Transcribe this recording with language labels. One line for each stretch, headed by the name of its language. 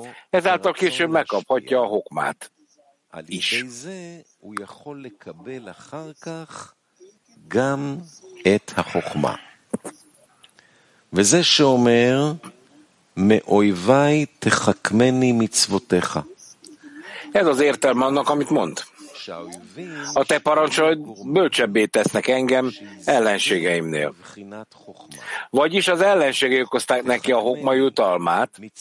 Hungarian: Ezáltal később megkaphatja a hokmát.
Hebrew: על ידי זה הוא יכול לקבל אחר כך גם את החוכמה. וזה שאומר, מאויביי תחכמני מצוותיך.
Hungarian: Ez az értelme annak, amit mond. A te parancsolod bölcsebbé tesznek engem ellenségeimnél. Vagyis az ellenségei okozták neki a hokma jutalmát.